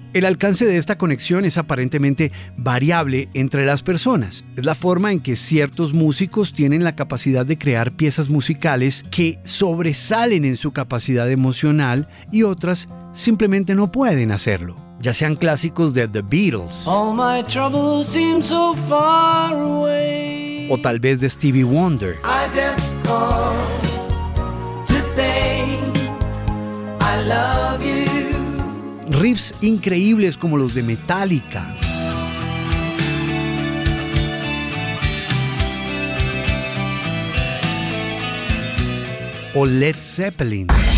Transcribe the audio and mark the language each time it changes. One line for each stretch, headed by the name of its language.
Spanish: El alcance de esta conexión es aparentemente variable entre las personas. Es la forma en que ciertos músicos tienen la capacidad de crear piezas musicales que sobresalen en su capacidad emocional y otras simplemente no pueden hacerlo. Ya sean clásicos de The Beatles.
English: All my troubles seem so far away.
Spanish: O tal vez de Stevie Wonder.
English: I just called to say I love you.
Spanish: Riffs increíbles como los de Metallica. O Led Zeppelin.